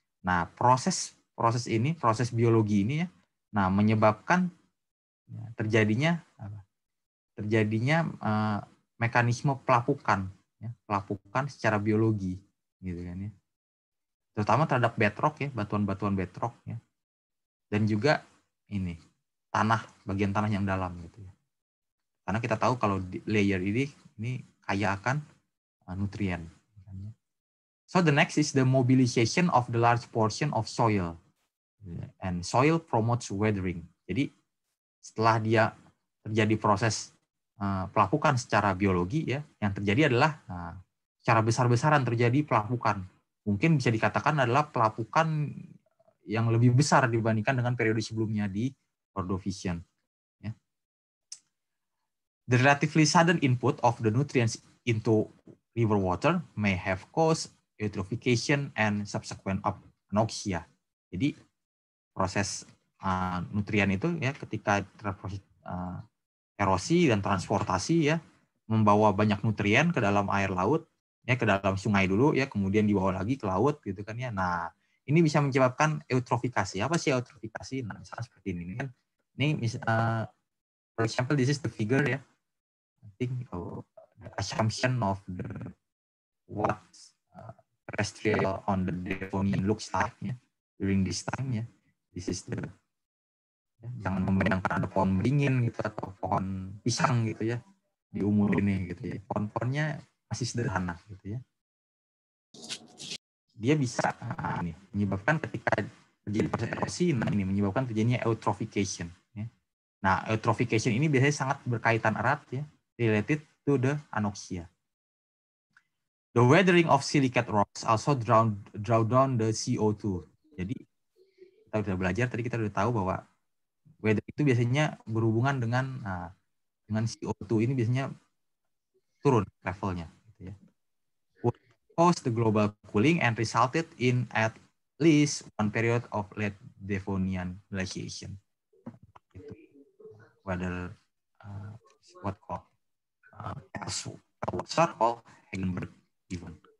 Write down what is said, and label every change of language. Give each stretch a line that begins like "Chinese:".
Indonesian: Nah, proses biologi ini, ya, nah, menyebabkan terjadinya mekanisme pelapukan, ya, pelapukan secara biologi gitu kan, ya, terutama terhadap bedrock, ya, batuan-batuan bedrock, ya, dan juga ini tanah, bagian tanah yang dalam gitu ya, karena kita tahu kalau layer ini kaya akan nutrien.
English: So the next is the mobilization of the large portion of soil, and soil promotes weathering.
Indonesian: Jadi setelah dia terjadi proses pelapukan secara biologi, ya, yang terjadi adalah secara besar-besaran terjadi pelapukan. Mungkin bisa dikatakan adalah pelapukan yang lebih besar dibandingkan dengan periode sebelumnya di Ordovician. Ya.
English: The relatively sudden input of the nutrients into river water may have caused eutrophication and subsequent anoxia.
Indonesian: Jadi proses nutrien itu, ya, ketika erosi dan transportasi, ya, membawa banyak nutrien ke dalam air laut, ya, ke dalam sungai dulu, ya, kemudian dibawa lagi ke laut gitu kan, ya. Nah, ini bisa menyebabkan eutrofikasi. Apa sih eutrofikasi? Nah, misalnya seperti ini kan.
English: Ini for example, this is the figure, ya. I think the assumption of the what terrestrial on the Devonian looks like, ya, during this time, ya. This is the,
Indonesian: ya, jangan membayangkan ada pohon beringin gitu atau pohon pisang gitu, ya, di umur ini gitu, ya. Pohon-pohonnya masih sederhana gitu, ya. Dia bisa ini menyebabkan ketika terjadi proses erosi, nah, ini menyebabkan terjadinya eutrophication, ya. Nah, eutrophication ini biasanya sangat berkaitan erat, ya,
English: related to the anoxia. The weathering of silicate rocks also draw down the CO2.
Indonesian: Jadi kita sudah belajar tadi, kita sudah tahu bahwa weathering itu biasanya berhubungan dengan CO2 ini biasanya turun levelnya.
English: What caused the global cooling and resulted in at least one period of late Devonian glaciation? Whether what caused what circle Hagenberg given?